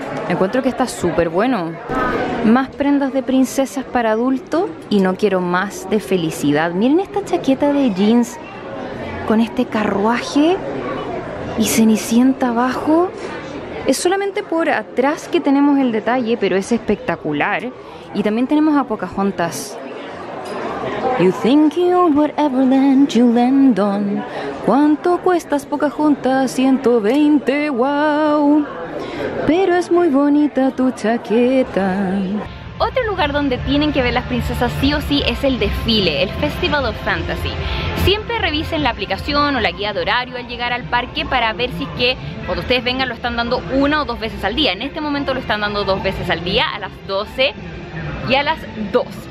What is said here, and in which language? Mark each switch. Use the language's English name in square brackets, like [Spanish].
[Spanish] Encuentro que está súper bueno. Más prendas de princesas para adulto y no quiero más de felicidad. Miren esta chaqueta de jeans con este carruaje y Cenicienta abajo. Es solamente por atrás que tenemos el detalle, pero es espectacular. Y también tenemos a Pocahontas. [English] You think you're whatever land you land on. [Spanish] ¿Cuánto cuestas, Pocahontas? $120, wow. Pero es muy bonita tu chaqueta. Otro lugar donde tienen que ver las princesas sí o sí es el desfile, el Festival of Fantasy. Siempre revisen la aplicación o la guía de horario al llegar al parque para ver si es que cuando ustedes vengan lo están dando una o dos veces al día. En este momento lo están dando dos veces al día, a las 12 y a las 2.